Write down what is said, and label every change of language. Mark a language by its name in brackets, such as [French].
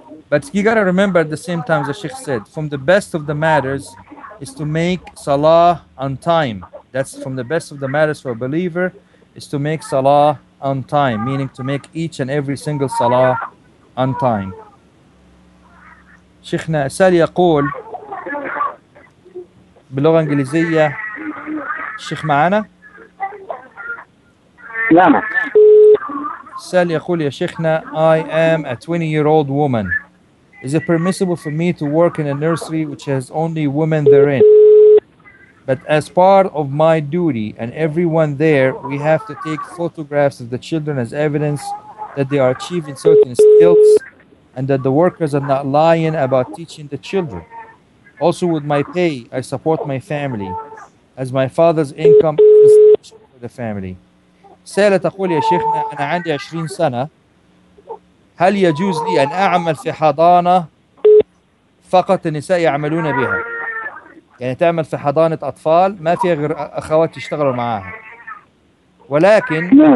[English] But you gotta remember at the same time, as the Sheikh said, from the best of the matters is to make Salah on time. That's from the best of the matters for a believer, is to make Salah on time, meaning to make each and every single Salah on time. [Arabic] Sheikhna Asali يقول باللغة الإنجليزية الشيخ معنا؟ نعم. سأل يقول يا شيخنا, [English] I am a 20-year-old woman. Is it permissible for me to work in a nursery which has only women therein? But as part of my duty and everyone there, we have to take photographs of the children as evidence that they are achieving certain skills and that the workers are not lying about teaching the children. Also, with my pay, I support my family as my father's income is for the family. [Arabic] سألت تقول يا شيخنا, أنا عندي 20 سنة, هل يجوز لي أن أعمل في حضانة فقط النساء يعملون بها؟ يعني تعمل في حضانة أطفال ما فيها غير أخوات يشتغلوا معاها, ولكن